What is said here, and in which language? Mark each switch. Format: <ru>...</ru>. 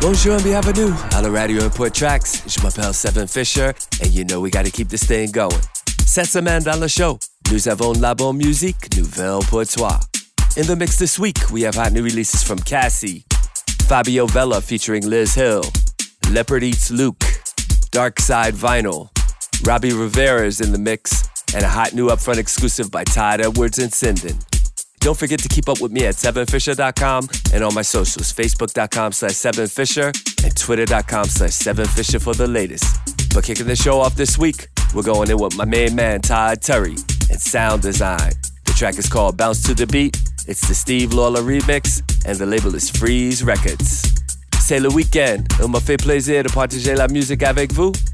<fr>Bonjour</fr> <en>and</en> <fr>bienvenue à la radio</fr> <en>Import Tracks.</en> <fr>Je m'appelle</fr> <en>Seven Fisher, and you know we gotta keep this thing going.</en> <fr>Cette semaine dans le show, nous avons la bonne musique nouvelle pour toi.</fr> <en>In the mix this week, we have hot new releases from Cassie, Fabio Vella featuring Liz Hill, Leopard Eats Luke, Dark Side Vinyl, Robbie Rivera is in the mix, and a hot new upfront exclusive by Todd Edwards and Sinden. Don't forget to keep up with me at 7fisher.com and on my socials, facebook.com/7fisher and twitter.com/7fisher for the latest. But kicking the show off this week, we're going in with my main man, Todd Terry, and Sound Design. The track is called Bounce to the Beat. It's the Steve Lawler remix, and the label is Freeze Records.</en> <fr>C'est le week-end. Il me fait plaisir de partager la musique avec vous.</fr>